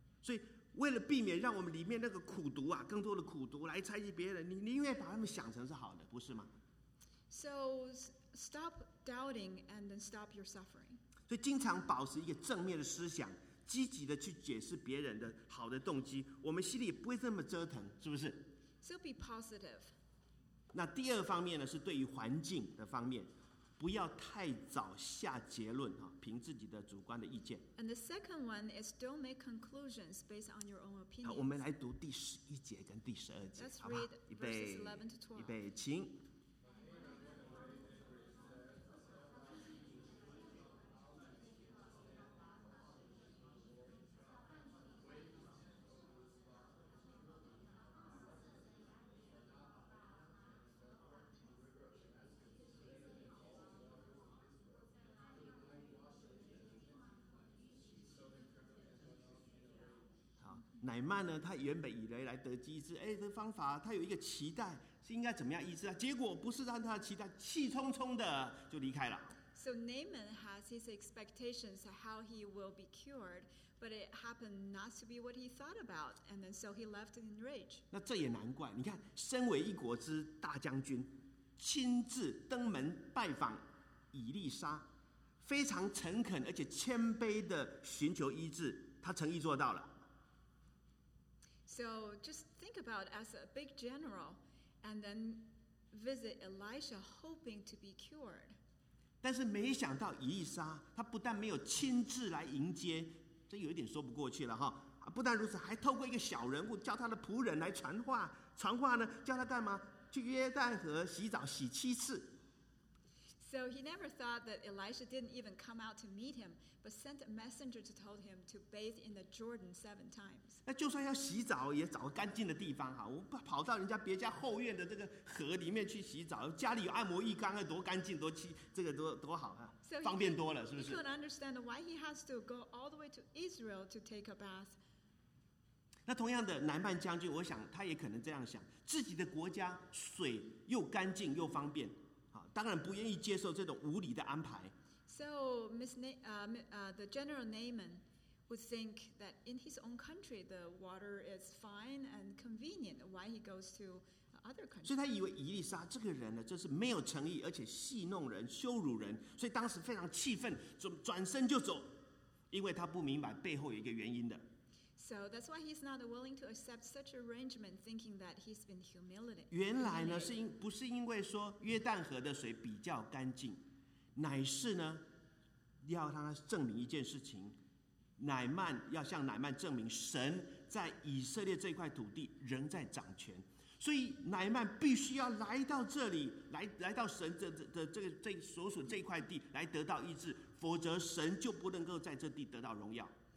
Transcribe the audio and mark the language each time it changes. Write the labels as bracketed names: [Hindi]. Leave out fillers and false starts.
[Chinese] 所以为了避免让我们里面那个苦毒啊，更多的苦毒来猜忌别人，你宁愿把他们想成是好的，不是吗？ [English] So stop doubting and then stop your suffering. [Chinese] 所以经常保持一个正面的思想，积极的去解释别人的好的动机，我们心里不会这么折腾，是不是？ [English] So be positive. [Chinese] 那第二方面呢，是对于环境的方面。不要太早下结论，凭自己的主观的意见。 [English] And the second one is don't make conclusions based on your own opinion. [Chinese] 好，我们来读第十一节跟第十二节，好吧？预备，预备，请。乃曼呢，他原本以为来得医治，哎，这方法他有一个期待，是应该怎么样医治啊？结果不是按他的期待，气冲冲的就离开了。 [English] So Naaman has his expectations of how he will be cured, but it happened not to be what he thought about, and then so he left in rage. [Chinese] 那这也难怪，你看，身为一国之大将军，亲自登门拜访以利沙，非常诚恳而且谦卑的寻求医治，他诚意做到了。 [English] So just think about as a big general, and then visit Elisha, hoping to be cured. [Chinese] 但是没想到以利沙，他不但没有亲自来迎接，这有一点说不过去了哈。不但如此，还透过一个小人物叫他的仆人来传话。传话呢，叫他干嘛？去约旦河洗澡洗七次。 [English] So he never thought that Elisha didn't even come out to meet him, but sent a messenger to tell him to bathe in the Jordan 7 times. [Chinese] 那就算要洗澡，也找个干净的地方哈。我跑到人家别家后院的这个河里面去洗澡，家里有按摩浴缸啊，多干净，多清，这个多好啊，方便多了，是不是？ [English] He couldn't understand why he has to go all the way to Israel to take a bath. [Chinese] 那同样的，南曼将军，我想他也可能这样想：自己的国家水又干净又方便。当然不愿意接受这种无理的安排。 [English] So, the General Naaman would think that in his own country the water is fine and convenient. Why he goes to other countries? [Chinese] 所以他以为以利沙这个人呢，就是没有诚意，而且戏弄人、羞辱人，所以当时非常气愤，转身就走，因为他不明白背后有一个原因的。 [English] So that's why he's not willing to accept such arrangement, thinking that he's been humiliated. [Chinese] 原来呢，不是因为说约旦河的水比较干净，乃是呢，要让他证明一件事情。乃曼要向乃曼证明神在以色列这块土地仍在掌权，所以乃曼必须要来到这里，来到神这所属这块地来得到医治，否则神就不能够在这地得到荣耀。